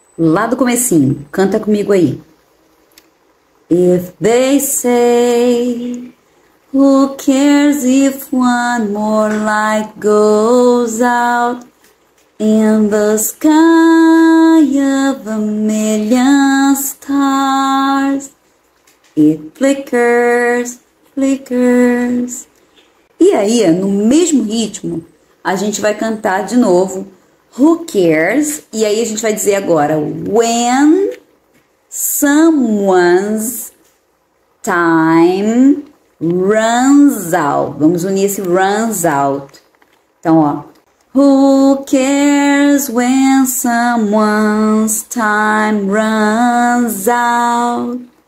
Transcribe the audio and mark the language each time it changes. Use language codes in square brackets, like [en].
[pt] Lá do comecinho, canta comigo aí. [en] If they say, who cares if one more light goes out in the sky of a million stars, it flickers. [pt] Flickers. E aí, no mesmo ritmo, a gente vai cantar de novo [en] Who Cares? [pt] E aí a gente vai dizer agora [en] When someone's time runs out. [pt] Vamos unir esse [en] runs out. [pt] Então, ó. [en] Who cares when someone's time runs out?